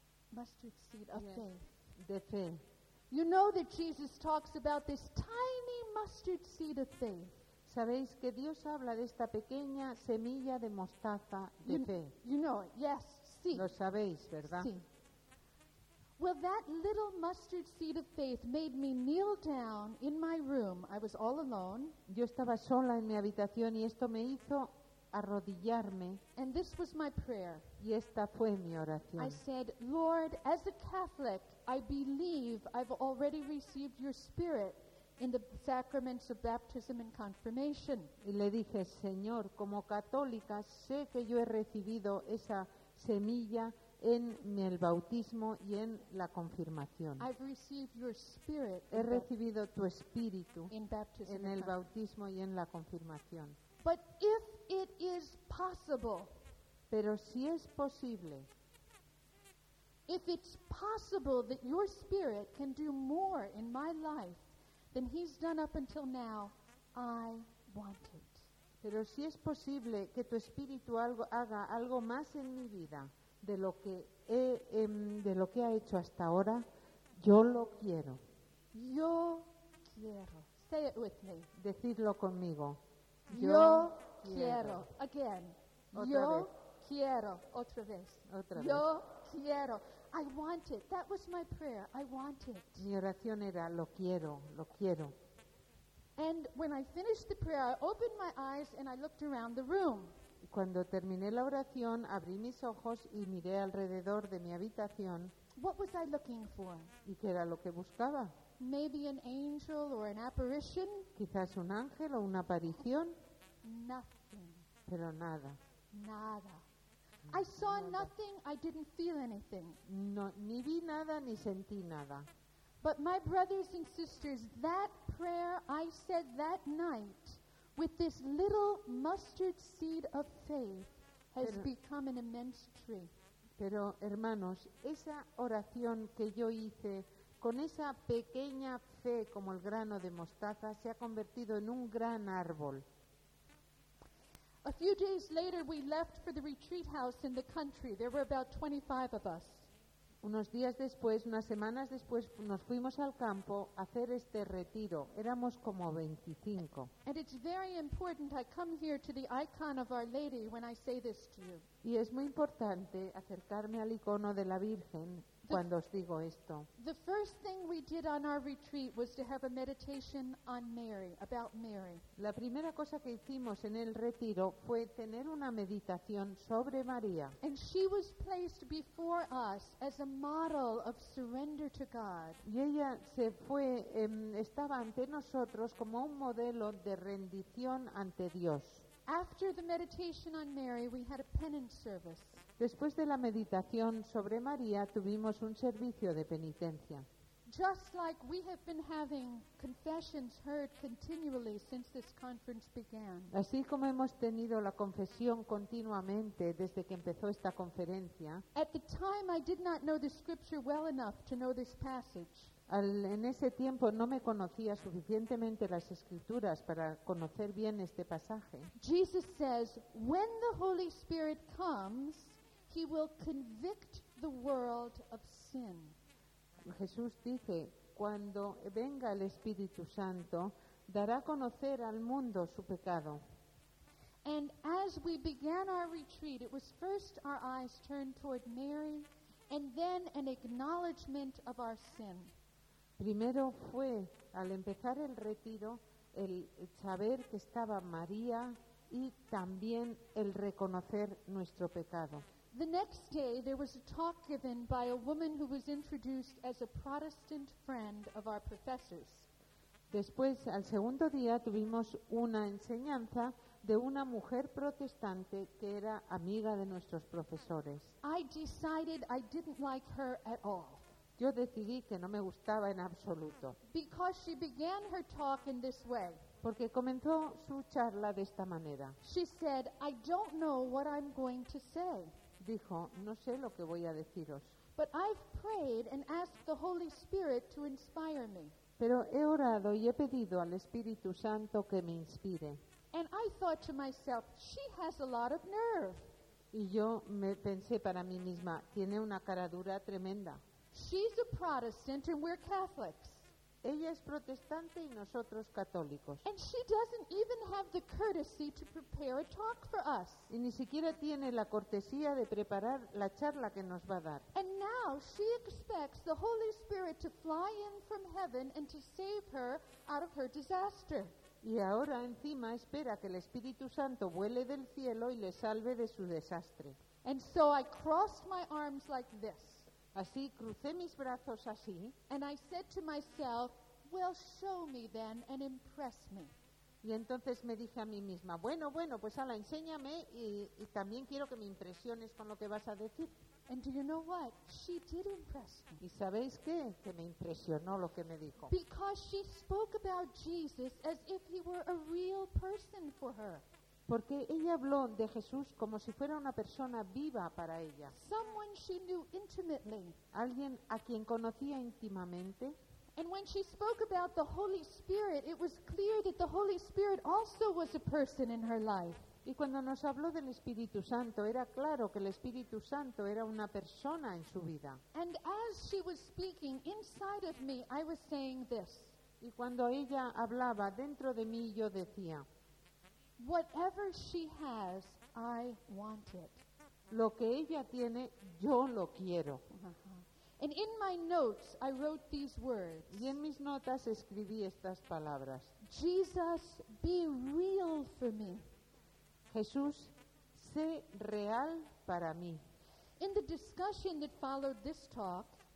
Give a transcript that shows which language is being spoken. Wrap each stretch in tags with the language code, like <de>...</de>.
<en>Mustard seed of faith.</en> <es>De fe.</es> <en>You know that Jesus talks about this tiny mustard seed of faith.</en> <es>Sabéis que Dios habla de esta pequeña semilla de mostaza de fe.</es> <en>You know it. Yes, sí.</en> <es>Lo sabéis, ¿verdad?</es> <en>Sí. Well, that little mustard seed of faith made me kneel down in my room. I was all alone.</en> <es>Yo estaba sola en mi habitación y esto me hizo arrodillarme.</es> <en>And this was my prayer.</en> <es>Y esta fue mi oración.</es> <en>I said, Lord, as a Catholic, I believe I've already received your spirit in the sacraments of baptism and confirmation.</en> <es>Y le dije, Señor, como católica, sé que yo he recibido esa semilla en el bautismo y en la confirmación.</es> <en>I've received your spirit.</en> <es>He recibido tu espíritu</es> <en>in baptism</en> <es>en el bautismo y en la confirmación.</es> <en>But if it is possible,</en> <es>pero si es posible,</es> <en>if it's possible that your spirit can do more in my life than he's done up until now, I want it.</en> <es>Pero si es posible que tu espíritu haga algo más en mi vida de lo que ha hecho hasta ahora, yo lo quiero. Yo quiero.</es> <en>Say it with me.</en> <es>Decidlo conmigo. Yo quiero.</es> <en>Again.</en> <es>Yo quiero. Otra vez. Otra vez. Yo quiero.</es> <en>I want it. That was my prayer. I want it.</en> <es>Mi oración era, lo quiero, lo quiero.</es> <en>And when I finished the prayer, I opened my eyes and I looked around the room.</en> <es>Cuando terminé la oración, abrí mis ojos y miré alrededor de mi habitación.</es> <en>What was I looking for?</en> <es>¿Y qué era lo que buscaba?</es> <en>Maybe an angel or an apparition.</en> <es>Quizás un ángel o una aparición.</es> <en>Nothing.</en> <es>Pero nada.</es> <en>Nada. I saw nada. Nothing. I didn't feel anything.</en> <es>No, ni vi nada ni sentí nada.</es> <en>But my brothers and sisters, that prayer I said that night with this little mustard seed of faith has become an immense tree.</en> <es>Pero hermanos, esa oración que yo hice con esa pequeña fe como el grano de mostaza se ha convertido en un gran árbol.</es> <en>A few days later we left for the retreat house in the country. There were about 25 of us.</en> <es>Unos días después, unas semanas después, nos fuimos al campo a hacer este retiro. Éramos como 25.</es> <en>And it's very important I come here to the icon of Our Lady when I say this to you.</en> <es>Y es muy importante acercarme al icono de la Virgen cuando os digo esto.</es> <en>The first thing we did on our retreat was to have a meditation on Mary, about Mary.</en> <es>La primera cosa que hicimos en el retiro fue tener una meditación sobre María.</es> <en>And she was placed before us as a model of surrender to God.</en> <es>Y ella se fue, estaba ante nosotros como un modelo de rendición ante Dios.</es> <en>After the meditation on Mary, we had a penance service.</en> <es>Después de la meditación sobre María, tuvimos un servicio de penitencia.</es> <en>Just like we have been having confessions heard continually since this conference began.</en> <es>Así como hemos tenido la confesión continuamente desde que empezó esta conferencia.</es> <en>At the time, I did not know the scripture well enough to know this passage.</en> <es>En ese tiempo no me conocía suficientemente las escrituras para conocer bien este pasaje.</es> <en>Jesus says, "When the Holy Spirit comes, he will convict the world of sin."</en> <es>Jesús dice, "Cuando venga el Espíritu Santo, dará a conocer al mundo su pecado."</es> <en>And as we began our retreat, it was first our eyes turned toward Mary and then an acknowledgement of our sin.</en> <es>Primero fue, al empezar el retiro, el saber que estaba María y también el reconocer nuestro pecado.</es> <en>The next day there was a talk given by a woman who was introduced as a Protestant friend of our professors.</en> <es>Después, al segundo día, tuvimos una enseñanza de una mujer protestante que era amiga de nuestros profesores.</es> <en>I decided I didn't like her at all.</en> <es>Yo decidí que no me gustaba en absoluto.</es> <en>Because she began her talk in this way.</en> <es>Porque comenzó su charla de esta manera.</es> <en>She said, "I don't know what I'm going to say."</en> <es>Dijo, "No sé lo que voy a deciros."</es> <en>But I've prayed and asked the Holy Spirit to inspire me.</en> <es>Pero he orado y he pedido al Espíritu Santo que me inspire.</es> <en>And I thought to myself, "She has a lot of nerve."</en> <es>Y yo me pensé para mí misma, tiene una cara dura tremenda.</es> <en>She's a Protestant and we're Catholics.</en> <es>Ella es protestante y nosotros católicos.</es> <en>And she doesn't even have the courtesy to prepare a talk for us.</en> <es>Y ni siquiera tiene la cortesía de preparar la charla que nos va a dar.</es> <en>And now she expects the Holy Spirit to fly in from heaven and to save her out of her disaster.</en> <es>Y ahora encima espera que el Espíritu Santo vuele del cielo y le salve de su desastre.</es> <en>And so I crossed my arms like this.</en> <es>Así, crucé mis brazos así.</es> <en>And I said to myself, "Well, show me then and impress me."</en> <es>Y entonces me dije a mí misma, bueno, pues ala, enséñame y también quiero que me impresiones con lo que vas a decir.</es> <en>And do you know what? She did impress me.</en> <es>¿Y sabéis qué? Que me impresionó lo que me dijo.</es> <en>Because she spoke about Jesus as if he were a real person for her.</en> <es>Porque ella habló de Jesús como si fuera una persona viva para ella.</es> <en>Someone she knew intimately.</en> <es>Alguien a quien conocía íntimamente.</es> <en>And when she spoke about the Holy Spirit, it was clear that the Holy Spirit also was a person in her life.</en> <es>Y cuando nos habló del Espíritu Santo, era claro que el Espíritu Santo era una persona en su vida.</es> <en>And as she was speaking inside of me, I was saying this.</en> <es>Y cuando ella hablaba dentro de mí, yo decía,</es> <en>"Whatever she has, I want it."</en> <es>Lo que ella tiene, yo lo quiero. Uh-huh.</es> <en>And in my notes, I wrote these words.</en> <es>Y en mis notas escribí estas palabras.</es> <en>Jesus, be real for me.</en> <es>Jesús, sé real para mí.</es> <en>In the discussion that followed this talk,</en>